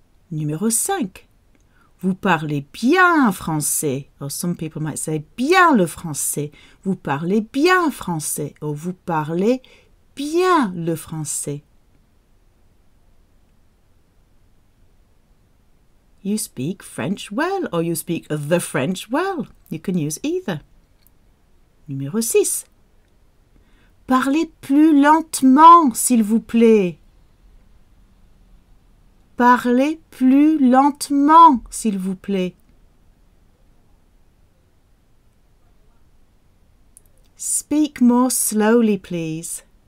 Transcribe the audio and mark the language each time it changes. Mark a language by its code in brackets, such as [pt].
[fr] Numéro 5. Vous parlez bien français. [en] Or some people might say [fr] bien le français. Vous parlez bien français. Or vous parlez bien le français. [en] You speak French well or you speak the French well. You can use either. [fr] Numéro 6. Parlez plus lentement, s'il vous plaît. Parlez plus lentement, s'il vous plaît. [en] Speak more slowly, please.